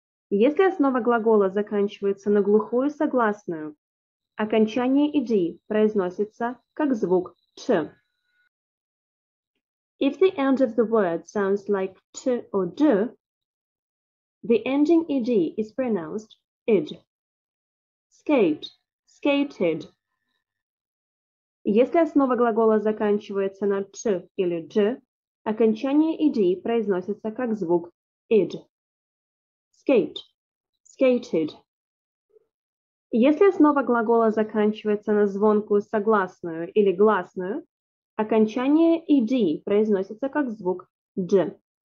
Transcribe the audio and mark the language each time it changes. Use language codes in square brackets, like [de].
[ru] Если основа глагола заканчивается на глухую согласную, окончание ed произносится как звук t. [en] If the end of the word sounds like t or d, the ending ed is pronounced id. Skate, skated. [ru] Если основа глагола заканчивается на t или d, окончание ed произносится как звук id. [en] Skate, skated. [ru] Если основа глагола заканчивается на звонкую согласную или гласную, окончание ed произносится как звук d.